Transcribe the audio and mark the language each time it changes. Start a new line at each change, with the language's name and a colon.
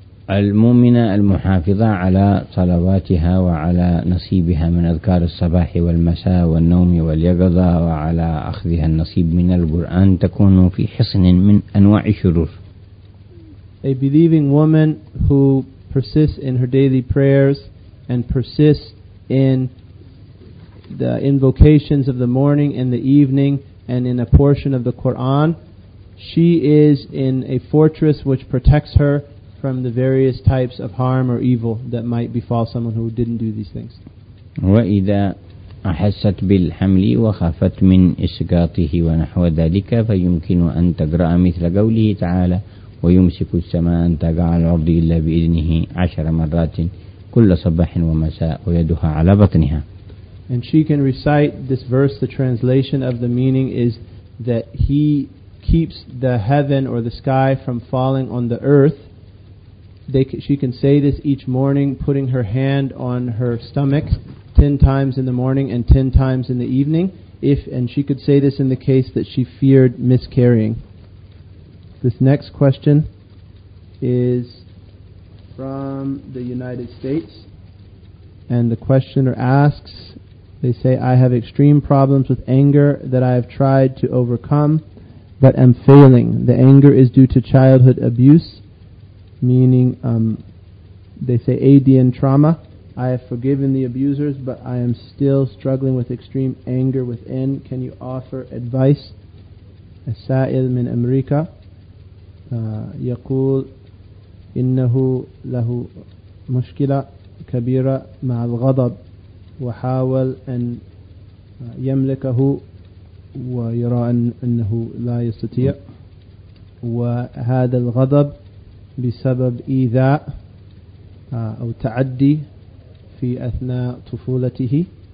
Arabic: المؤمنة المحافظة على صلواتها وعلى نصيبها من أذكار الصباح والمساء والنوم واليقظة وعلى أخذها النصيب من القرآن تكون في حصن من أنواع الشرور.
English: A believing woman who persists in her daily prayers and persists in the invocations of the morning and the evening and in a portion of the Quran, she is in a fortress which protects her from the various types of harm or evil that might befall someone who didn't do these things.
Arabic: وإذا أحست بالحمل وخافت من إسقاطه ونحو ذلك فيمكن أن تقرأ مثل قوله تعالى ويمسك السماء أن تقع على الأرض إلا بإذنه 10 مرات كل صباح ومساء ويدها على بطنها.
English: And she can recite this verse. The translation of the meaning is that he keeps the heaven or the sky from falling on the earth. She can say this each morning, putting her hand on her stomach 10 times in the morning and 10 times in the evening. And she could say this in the case that she feared miscarrying. This next question is from the United States. And the questioner asks, they say, I have extreme problems with anger that I have tried to overcome, but am failing. The anger is due to childhood abuse. Meaning, they say AD and trauma. I have forgiven the abusers, but I am still struggling with extreme anger within. Can you offer advice?
Arabic: السائل من أمريكا يقول إنه له مشكلة كبيرة مع الغضب وحاول أن يملكه ويرى أنه لا يستطيع وهذا الغضب بسبب إيذاء أو تعدي في أثناء طفولته